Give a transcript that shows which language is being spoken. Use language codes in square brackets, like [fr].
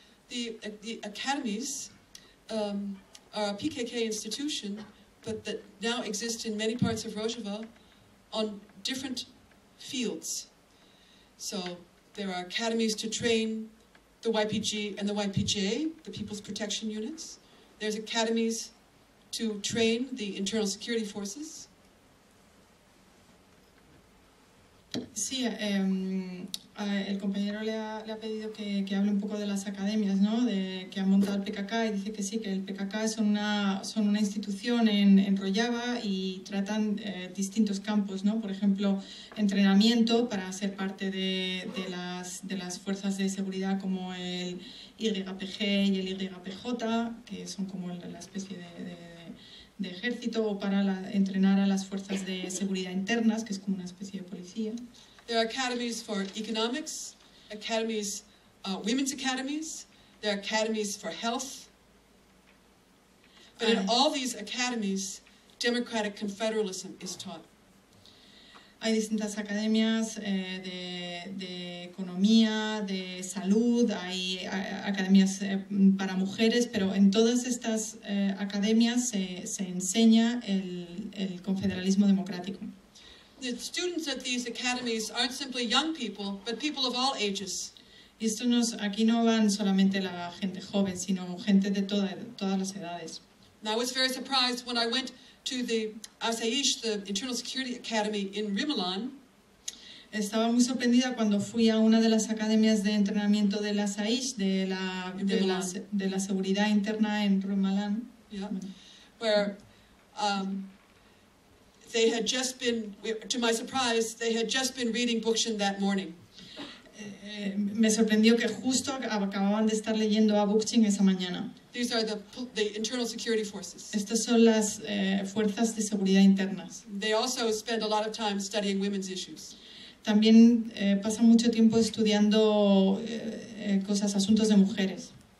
[en] The academies are a PKK institution, but that now exist in many parts of Rojava on different fields. So there are academies to train the YPG and the YPJ, the People's Protection Units. There's academies to train the internal security forces. [es] Sí, el compañero le ha pedido que hable un poco de las academias, ¿no?, de que ha montado el PKK, y dice que sí, que el PKK son una institución en Rojava y tratan distintos campos, ¿no? Por ejemplo, entrenamiento para ser parte de las fuerzas de seguridad como el YPG y el YPJ, que son como la especie de ejército, o para entrenar a las fuerzas de seguridad internas, que es como una especie de policía. [en] There are academies for economics, academies, women's academies, there are academies for health. But in all these academies, democratic confederalism is taught. [es] Hay distintas academias de economía, de salud, hay academias para mujeres, pero en todas estas academias se enseña el confederalismo democrático. [en] The students at these academies aren't simply young people, but people of all ages. [es] Y esto aquí no van solamente la gente joven, sino gente de todas las edades. [en] And I was very surprised when I went to the ASAISH, the Internal Security Academy in Rimelan. [es] Estaba muy sorprendida cuando fui a una de las academias de entrenamiento de la ASAISH, de la seguridad interna en Rimelan. [en] Yeah. Where they had just been, to my surprise, they had just been reading Bookchin that morning. [es] Me sorprendió que justo acababan de estar leyendo a Bookchin esa mañana. [en] These are the internal security forces. [es] Estas son las fuerzas de seguridad internas. [en] They also spend a lot of time studying women's issues. [es] También pasan mucho tiempo estudiando cosas, asuntos de mujeres.